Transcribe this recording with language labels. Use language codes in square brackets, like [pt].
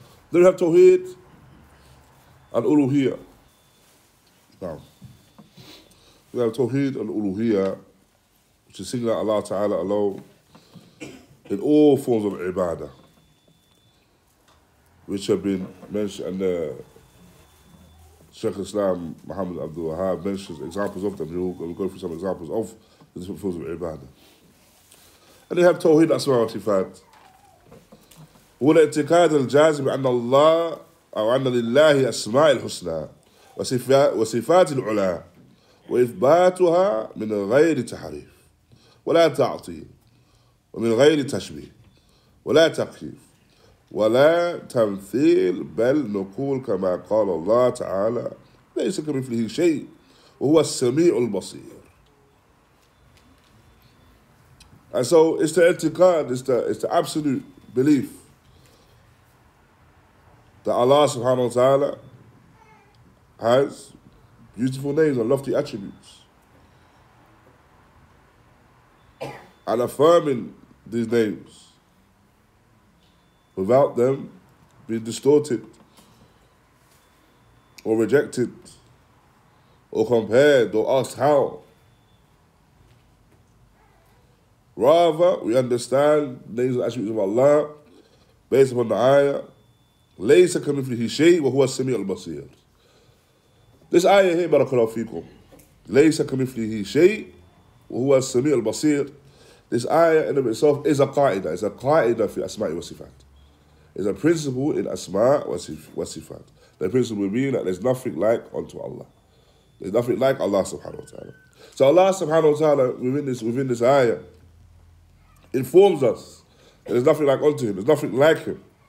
[en] Then we have Tawheed and Uluhiyya. Now, we have Tawheed and Uluhiyya, which is singular Allah Ta'ala alone in all forms of ibadah, which have been mentioned, and Sheikh Islam Muhammad Abdulhakeem mentions examples of them. We'll go through some examples of the different forms of ibadah. And they have Tawheed Asma wa Sifat. [ar] والاعتقاد الجازم أن الله أو أن لله أسماء الحسنى وصفات العلى وإثباتها من غير تحريف ولا تعطيل ومن غير تشبيه ولا تكييف ولا تمثيل بل نقول كما قال الله تعالى ليس كمثله شيء وهو السميع البصير. [en] And so it's the اعتقاد, it's the absolute belief that Allah subhanahu wa ta'ala has beautiful names and lofty attributes. And affirming these names without them being distorted or rejected or compared or asked how. Rather, we understand names and attributes of Allah based upon the ayah, [ar] ليس كمثله شيء وهو السميع البصير. [en] This ayah here, barakallahu fikum, [ar] ليس كمثله شيء وهو السميع البصير. [en] This ayah in itself is a qaida. It's a qaida [ar] في أسماء وصفات. [en] It's a principle in [ar] أسماء وصفات. [en] The principle being that there's nothing like unto Allah. There's nothing like Allah subhanahu wa ta'ala. So Allah subhanahu wa ta'ala within this ayah informs us that there's nothing like unto Him. There's nothing like Him.